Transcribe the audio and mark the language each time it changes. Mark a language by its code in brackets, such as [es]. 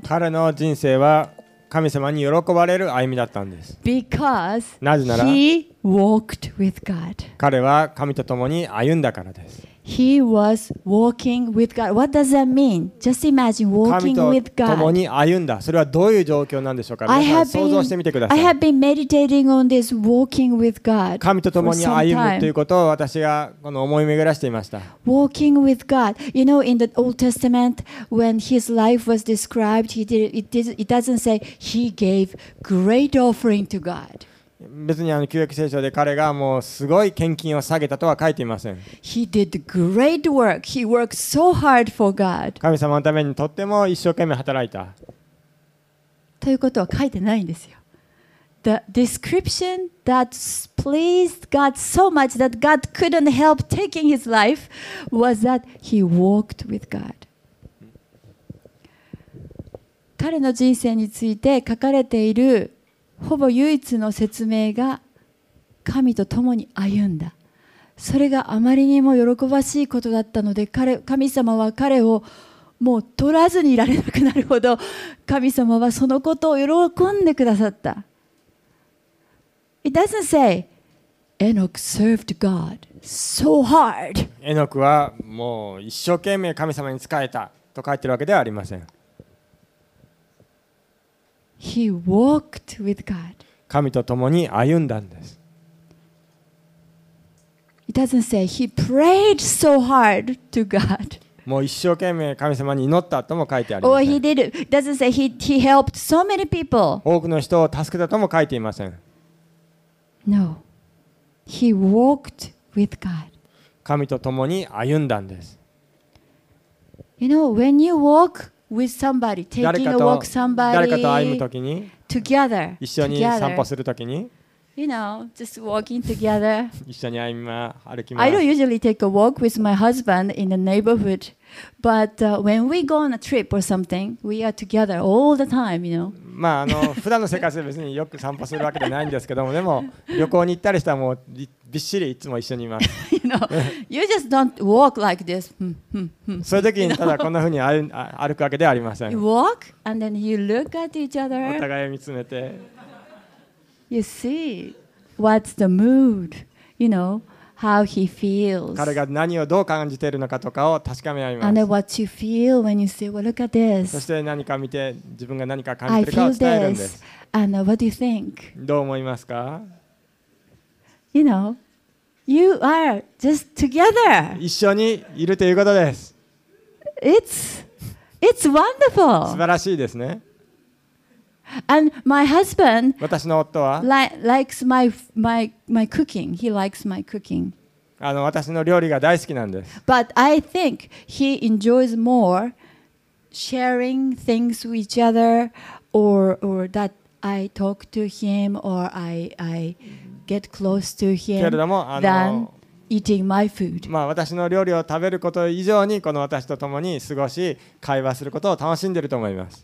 [ja] 彼の人生は神様に喜ばれる歩みだったんです。 [en] Because [ja] なぜなら、 [en] he walked with God. [ja] 彼は神と共に歩んだからです。 [en] He was walking with God. What does that mean? Just imagine walking with God. [ja] 神と共に歩んだ。それはどういう状況なんでしょうか。皆さん想像してみてください。 [en] I have been meditating on this walking with God. [ja] 神と共に歩むということを私がこの思い巡らしていました。 [en] Walking with God. You know, in the Old Testament, when his life was described, it doesn't say he gave great offering to God. [ja] 別にあの旧約聖書で彼がもうすごい献金を下げたとは書いていません。 [en] He did great work. He worked so hard for God. [ja] 神様のためにとっても一生懸命働いた。ということは書いてないんですよ。 [en] The description that pleased God so much that God couldn't help taking his life was that he walked with God. [ja] 彼の人生について書かれているほぼ唯一の説明が神と共に歩んだ。それがあまりにも喜ばしいことだったので神様は彼をもう取らずにいられなくなるほど神様はそのことを喜んでくださった。 [en] It doesn't say Enoch served God so hard. [ja] エノクはもう一生懸命神様に仕えたと書いてるわけではありません。 [en] He walked with God. [ja] 神と共に歩んだんです。 [en] It doesn't say he prayed so hard to God. [ja] もう一生懸命神様に祈ったとも書いてありません。 [en] Or he did. It doesn't say he helped so many people. [ja] 多くの人を助けたとも書いていません。 [en] No. He walked with God. [ja] 神と共に歩んだんです。 [en] You know, when you walk,With somebody, taking a walk, somebody, [ja] 誰かと歩むときに、 [en] together, [ja] 一緒に散歩するときに、 [en] you know, just walking together. [ja] 一緒に歩きます。 [en] I don't usually take a walk with my husband in the neighborhood, but when we go on a trip or something, we are together all the time, you know. [ja] まああの普段の生活で別によく散歩するわけではないんですけども、でも旅行に行ったりしたらもうびっしりいつも一緒にいます。 [en] You just don't walk like this. [ja] そういう時にただこんな風に歩くわけではありません。 [en] You walk and then you look at each other. [ja] お互いを見つめて。 [en] You see what's the mood, you know, how he feels. [ja] 彼が何をどう感じているのかとかを確かめ合います。 [en] And then what you feel when you say, well, look at this. [ja] そして何か見て自分が何か感じているかを伝えるんです。 [en] I feel this. And what do you think? [ja] どう思いますか？ [en] You know. You are just together. [ja] 一緒にいるということです。 [en] It's wonderful. [ja] 素晴らしいですね。 [en] And my husband [ja] 私の夫は [en] likes my cooking. He likes my cooking. [ja] あの私の料理が大好きなんです。 [en] But I think he enjoys more sharing things with each other or that I talk to him or I. Get close to him [ja] けれども、 [en] than eating my food. [ja] まあ、私の料理を食べること以上にこの私と共に過ごし会話することを楽しんでいると思います。